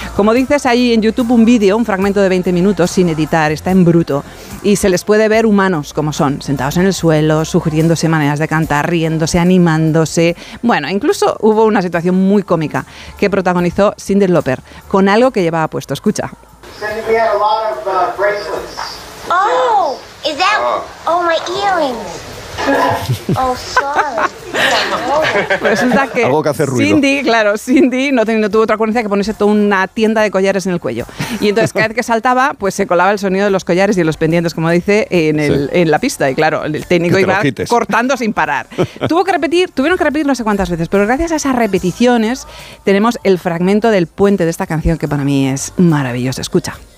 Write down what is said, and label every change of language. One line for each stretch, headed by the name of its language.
Spanish: Como dices ahí en YouTube, un vídeo, un fragmento de 20 minutos, sin editar, está en bruto. Y se les puede ver humanos como son, sentados en el suelo, sugiriéndose maneras de cantar, riéndose, animándose. Bueno, incluso hubo una situación muy cómica que protagonizó Cyndi Lauper con algo que llevaba puesto. Escucha.
English: Oh, is that my earrings? Oh, sorry.
Spanish: Resulta que, algo que hace ruido. Cindy, claro, Cindy no teniendo, tuvo otra ocurrencia que ponerse toda una tienda de collares en el cuello. Y entonces cada vez que saltaba, pues se colaba el sonido de los collares y de los pendientes, como dice, en, el, sí. en la pista. Y claro, el técnico iba cortando sin parar. Tuvo que repetir, tuvieron que repetir no sé cuántas veces, pero gracias a esas repeticiones tenemos el fragmento del puente de esta canción que para mí es maravilloso. Escucha.